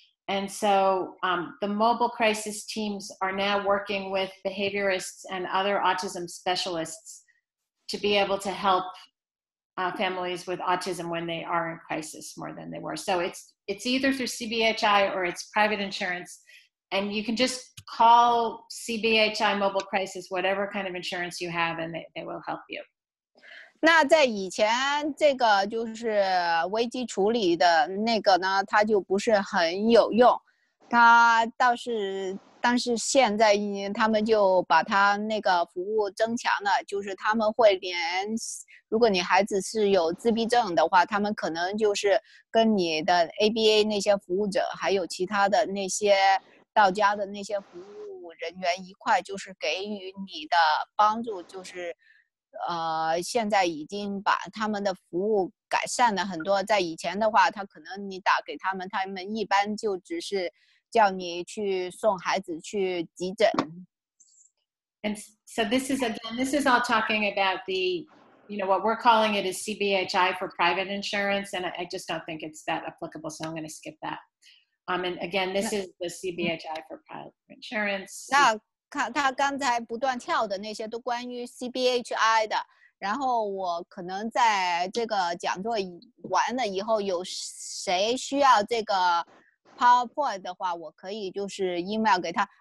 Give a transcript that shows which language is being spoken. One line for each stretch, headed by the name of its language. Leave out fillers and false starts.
English: And so the mobile crisis teams are now working with behaviorists and other autism specialists to be able to help families with autism when they are in crisis more than they were. So it's either through CBHI or it's private insurance. And you can just call CBHI Mobile Crisis, whatever kind of insurance you have, and they will help you.
Chinese: 那在以前这个就是危机处理的那个呢，它就不是很有用。它倒是但是现在他们就把他那个服务增强了，就是他们会连，如果你孩子是有自闭症的话，他们可能就是跟你的 ABA 那些服务者，还有其他的那些到家的那些服务人员一块，就是给予你的帮助，就是现在已经把他们的服务改善了很多。在以前的话，他可能你打给他们，他们一般就只是叫你去送孩子去急诊。
English: And so this is again, this is all talking about the, you know, what we're calling it is CBHI for private insurance, and I just don't think it's that applicable, so I'm going to skip that. And again, this is the CBHI for private insurance.
Chinese: 那他刚才不断跳的那些都关于 CBHI 的，然后我可能在这个讲座完了以后，有谁需要这个PowerPoint 的话，我可以就是 email 给他。